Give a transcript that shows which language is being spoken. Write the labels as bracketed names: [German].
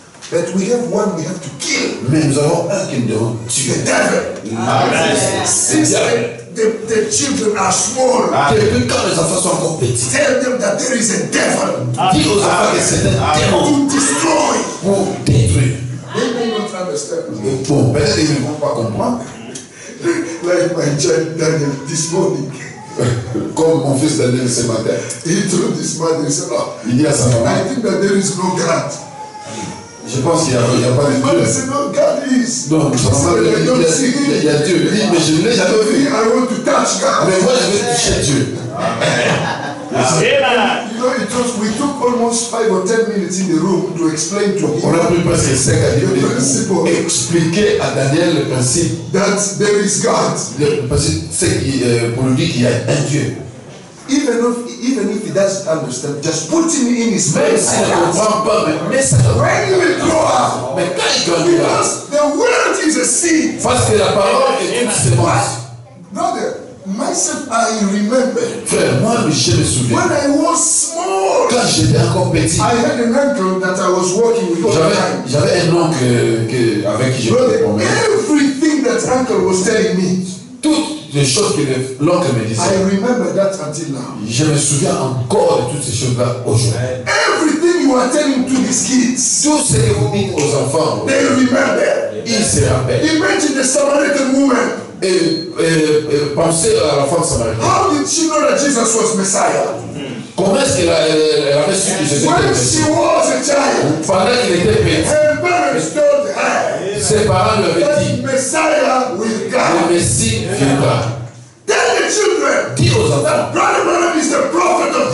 [English] But we have one we have to kill. [French] Mais nous avons un qui nous devons tuer. [English] The devil. The children are small. [French] Depuis quand les enfants sont encore petits. [English] Tell them that there is a devil. [French] Dis aux enfants que c'est un démon. [English] To destroy. [French] Pour détruire. [English] understand. [French] Et pour père, ils ne vont pas comprendre. [English] Like my child Daniel this morning. [French] Comme mon fils Daniel ce matin. [English] He told his mother, he said, oh, [French] il dit à sa maman, [English] I think that there is no God. [French] Je pense qu'il n'y a pas de Dieu. Mais non, [English] God is. [French] Non, il y a Dieu. Il dit, mais je ne l'ai jamais vu. [English] I want to touch God. [French] Mais moi, je veux toucher Dieu. Amen. [English] You know, it was, we took almost 5 or 10 minutes in the room to explain to him. [French] On a pris presque 5 à 10 minutes pour expliquer à Daniel le principe. [English] That there is God. [French] Le principe, c'est pour lui dire qu'il y a un Dieu. [English] Even if he doesn't understand, just put him in his place. When he will grow up, because the word is a seed. [French] Parce que la parole est une semence. [English] Brother, myself, I remember. [French] Frère, moi, je me souviens. [English] When I was small, [French] quand j'étais encore petit, [English] I had an uncle that I was working with. [French] J'avais un oncle avec qui je [English] parlais. Everything that uncle was telling me. [French] Les choses que l'oncle me disait. [English] I remember that until now. [French] Je me souviens encore de toutes ces choses-là aujourd'hui. [English] Everything you are telling to these kids. [French] Tout ce que vous dites aux enfants. [English] They remember. [French] Ils se rappellent. [English] Imagine the Samaritan woman. [French] Et pensez à la femme samaritaine. [English] How did she know that Jesus was Messiah? [French] Comment est-ce qu'elle avait su que Jésus était Messie? [English] When she was a child. [French] Pendant qu'elle était petite. [English] Her parents told her. [French] Ses parents leur avaient dit. [English] Messiah will come. [French] Le Messie viendra. [English] Tell the children. [French] Dis aux enfants. [English] That brother Branham is the prophet of